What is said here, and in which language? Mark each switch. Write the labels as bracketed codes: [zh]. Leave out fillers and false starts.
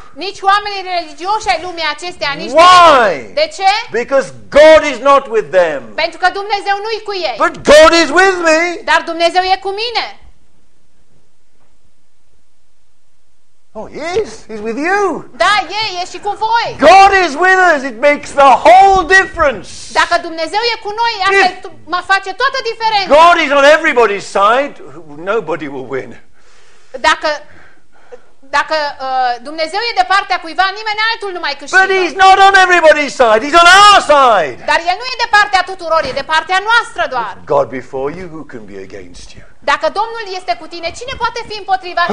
[ro] Nici oamenii religioși ai lumii acestea nici. [en] Why? [ro] De ce? [en] Because God is not with them. [ro] Pentru că Dumnezeu nu-i cu ei. [en] But God is with me. [ro] Dar Dumnezeu e cu mine. [en] Oh yes, he's with you. [ro] Da, e și cu voi. [en] God is with us. It makes the whole difference. [ro] Dacă Dumnezeu e cu noi, asta face toată diferența. [en] God is on everybody's side. Nobody will win. [ro] Dacă Dumnezeu e de partea cuiva, nimeni altul nu mai câștigă. [en] But he's not on everybody's side. He's on our side. [ro] Dar el nu e de partea tuturor, e de partea noastră doar. [en] If God before you, who can be against you? [ro] Dacă Domnul este cu tine, cine poate fi împotriva ta?